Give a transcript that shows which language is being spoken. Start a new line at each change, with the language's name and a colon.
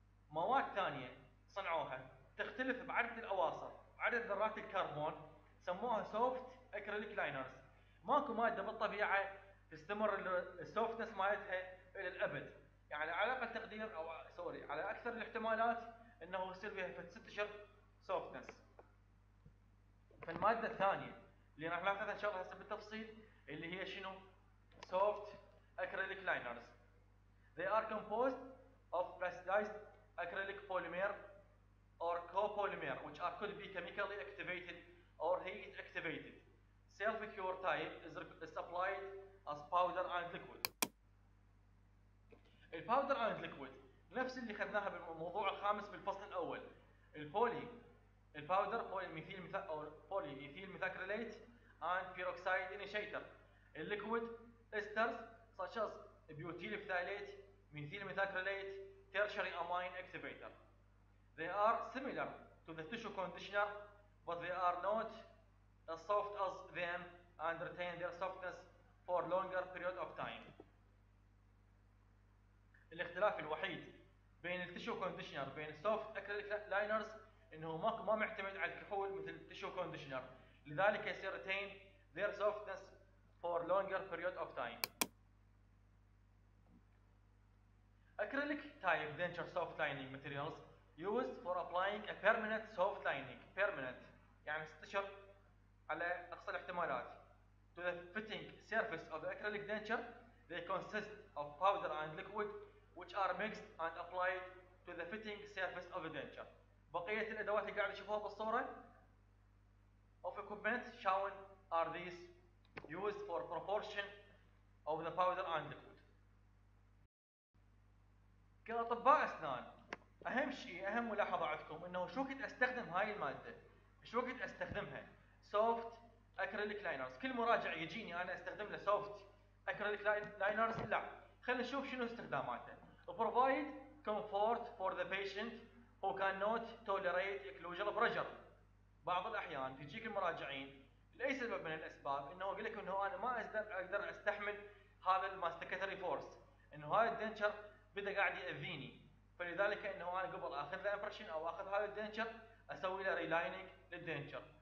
Arabic: مواد ثانيه صنعوها تختلف بعدد الاواصر بعدد ذرات الكربون سموها سوفت اكريليك لاينرز. ماكو ماده بالطبيعه تستمر السوفتنس مالتها الى الابد، يعني على اقل تقدير او سوري على اكثر الاحتمالات انه يصير بها في 6 اشهر سوفتنس. فالماده الثانيه اللي راح ناخذها ان شاء الله هسه بالتفصيل اللي هي شنو
English: Soft acrylic liners, they are composed of plasticized acrylic polymer or copolymer which are could be chemically activated or heat activated. Self cure type is applied as powder and liquid. الباودر and liquid
Arabic: نفس اللي اخذناها بالموضوع الخامس بالفصل الاول،
English: البولي الباودر poly methyl او poly ethyl methacrylate and peroxide initiator, الليكويد esters such as butyl phthalate methyl methacrylate tertiary amine activator. They are similar to the tissue conditioner but they are not as soft as them and retain their softness for longer period of time.
Arabic: الاختلاف الوحيد بين التشو كونديشنر بين السوفت اكريليك لاينرز انه ما معتمد على الكحول مثل التشو كونديشنر، لذلك يصير
English: Retain their softness for longer period of time. Acrylic type denture soft lining materials use for applying a permanent soft lining, permanent
Arabic: يعني 6 اشهر على اقصى الاحتمالات.
English: To the fitting surface of acrylic denture they consist of powder and liquid which are mixed and applied to the fitting surface of the denture.
Arabic: بقية الأدوات اللي قاعد تشوفوها بالصورة
English: of equipment shown are these used for proportion of the powder and liquid.
Arabic: كأطباء أسنان أهم شيء أهم ملاحظة عندكم إنه شو كنت أستخدم هاي المادة، شو كنت أستخدمها
English: soft acrylic liners.
Arabic: كل مراجع يجيني أنا أستخدم له
English: soft acrylic liners،
Arabic: لا خلينا نشوف شنو استخداماته.
English: Provide comfort for the patient who cannot tolerate occlusal pressure.
Arabic: بعض الأحيان تجيك المراجعين لأي سبب من الأسباب إنه يقول لك إنه أنا ما أقدر أستحمل هذا الماستكتري فورس، إنه هاي الدنشر بدأ قاعد يأذيني، فلذلك إنه أنا قبل أخذ ذا إمبرشن أو أخذ هاي الدنشر أسوي له ريلايننج للدنشر.